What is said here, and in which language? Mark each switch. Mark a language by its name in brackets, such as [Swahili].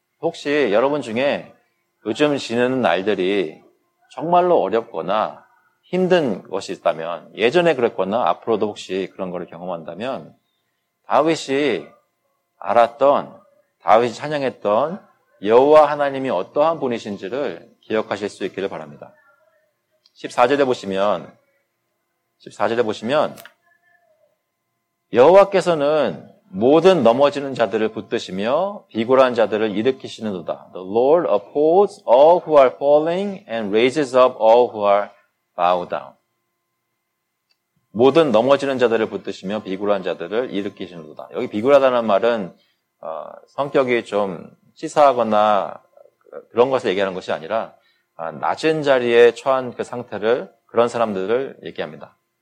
[Korean] 혹시 여러분 중에 요즘 지내는 날들이 정말로 어렵거나 힘든 것이 있다면 예전에 그랬거나 앞으로도 혹시 그런 것을 경험한다면 다윗이 알았던 다윗이 찬양했던 여호와 하나님이 어떠한 분이신지를 기억하실 수 있기를 바랍니다. 14절에 보시면 여호와께서는 모든 넘어지는 자들을 붙드시며 비굴한 자들을 일으키시는도다. [English] The Lord upholds all who are falling and raises up all who are bowed down. [Korean] 모든 넘어지는 자들을 붙드시며 비굴한 자들을 일으키시는도다. 여기 비굴하다는 말은 성격이 좀 치사하거나 그런 것을 얘기하는 것이 아니라 낮은 자리에 처한 그 상태를 그런 사람들을 얘기합니다.